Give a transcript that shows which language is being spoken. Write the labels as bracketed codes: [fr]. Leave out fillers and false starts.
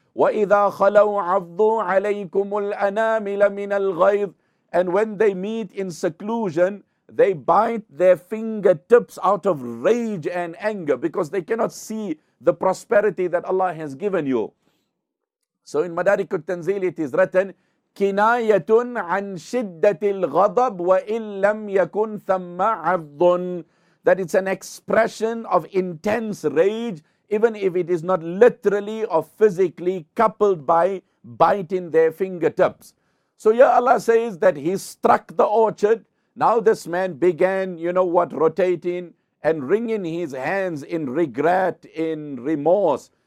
[ar] وَإِذَا خَلَوْا عَضُّوا عَلَيْكُمُ الْأَنَامِلَ مِنَ الْغَيْضِ. [en] And when they meet in seclusion, they bite their fingertips out of rage and anger because they cannot see the prosperity that Allah has given you. So in Madarik al-Tanzeel it is written, [ar] كِنَايَةٌ عَنْ شِدَّةِ الْغَضَبِ وَإِنْ لَمْ يَكُنْ ثَمَّ عَضٌ. [en] That it's an expression of intense rage, even if it is not literally or physically coupled by biting their fingertips. So here Allah says that he struck the orchard. Now this man began, you know what, rotating and wringing his hands in regret, in remorse.